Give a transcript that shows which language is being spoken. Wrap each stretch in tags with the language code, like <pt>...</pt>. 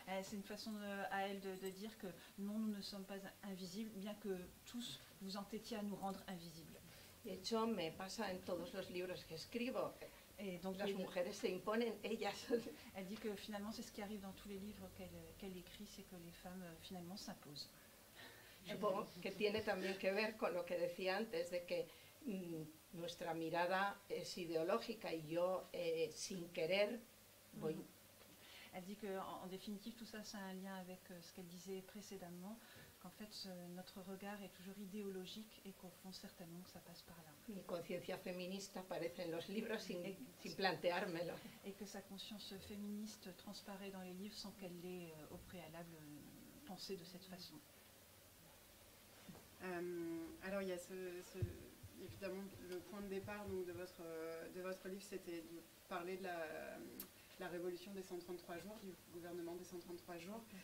<fr>C'est une façon à elle de dire que non, nous ne sommes pas invisibles, bien que tous vous entêtiez à nous rendre invisibles.</fr> <es>De hecho, me pasa en todos los libros que escribo.</es> <fr>Et donc,</fr> <es>las mujeres se imponen ellas.</es> <fr>Elle dit que finalement, c'est ce qui arrive dans tous les livres qu'elle écrit, c'est que les femmes finalement s'imposent.</fr> <es>Supongo que tiene también que ver con lo que decía antes, de que nuestra mirada es ideológica y yo, sin querer, voy.</es> <fr>Elle dit qu'en définitive, tout ça, c'est un lien avec ce qu'elle disait précédemment, qu'en fait, notre regard est toujours idéologique et qu'au fond, certainement, que ça passe par là.</fr> <es>Mi conciencia feminista aparece en los libros sin planteármelo.</es> <fr>Et que sa conscience féministe transparaît dans les livres sans qu'elle l'ait au préalable pensé de cette façon. Alors, il y a évidemment le point de départ donc, de votre livre, c'était de parler de la révolution des 133 jours, du gouvernement des 133 jours.</fr>